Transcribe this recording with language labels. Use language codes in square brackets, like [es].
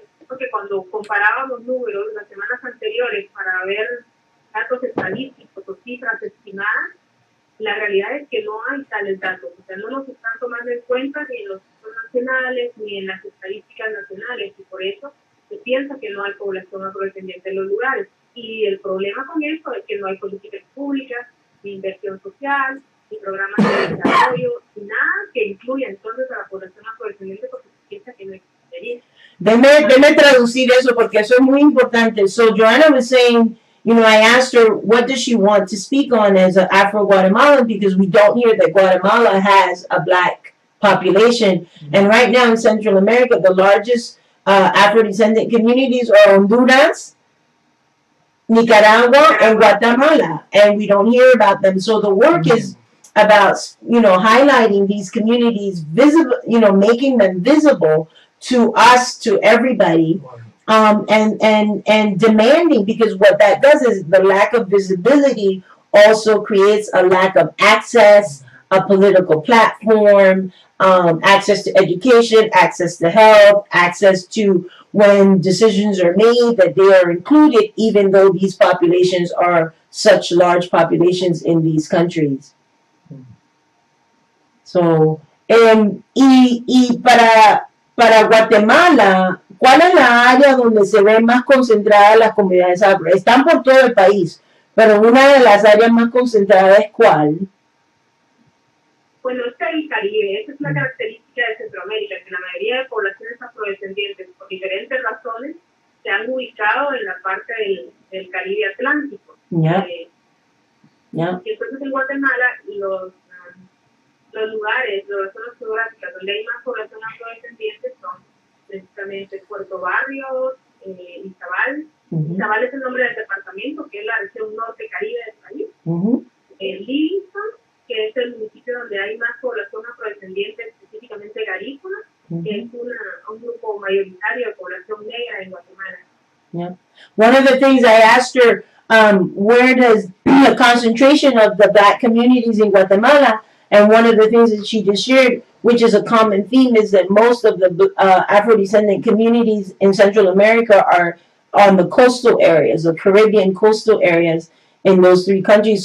[es] Porque cuando comparábamos números las semanas anteriores para ver datos estadísticos o cifras estimadas, la realidad es que no hay tales datos. O sea, no nos están tomando en cuenta ni en los datos nacionales ni en las estadísticas nacionales, y por eso se piensa que no hay población afrodescendiente en los lugares. Y el problema con eso es que no hay políticas públicas, ni inversión social, ni programas de desarrollo, ni nada que incluya entonces a la población afrodescendiente, porque se piensa que no existe. Deme traducir eso, porque eso es muy importante. [en] So, Joanna was saying, you know, I asked her, what does she want to speak on as an Afro-Guatemalan, because we don't hear that Guatemala has a black population. Mm-hmm. And right now in Central America, the largest Afro-descendant communities are Honduras, Nicaragua, and Guatemala. And we don't hear about them. So the work mm-hmm. is about, you know, highlighting these communities, visible, you know, making them visible to us, to everybody. And demanding, because what that does is the lack of visibility also creates a lack of access, a political platform, access to education, access to health, access to when decisions are made that they are included, even though these populations are such large populations in these countries. [es] So, para Guatemala, ¿cuál es la área donde se ven más concentradas las comunidades afro? Están por todo el país, pero una de las áreas más concentradas, ¿es cuál? Bueno, está el Caribe. Esa es una característica de Centroamérica, que la mayoría de poblaciones afrodescendientes, por diferentes razones, se han ubicado en la parte del Caribe Atlántico. Ya. Y entonces en Guatemala, los lugares, las zonas geográficas donde hay más población afrodescendiente son precisamente Puerto Barrios, Izabal. Uh-huh. Izabal es el nombre del departamento, que es la región norte caribe del país. Uh-huh. Livingston, que es el municipio donde hay más población afrodescendiente, específicamente garífuna. Uh-huh. Que es un grupo mayoritario de población negra en Guatemala. [en] Yeah. One of the things I asked her, where does the concentration of the black communities in Guatemala, and one of the things that she just shared, which is a common theme, is that most of the Afro-descendant communities in Central America are on the coastal areas, the Caribbean coastal areas in those three countries.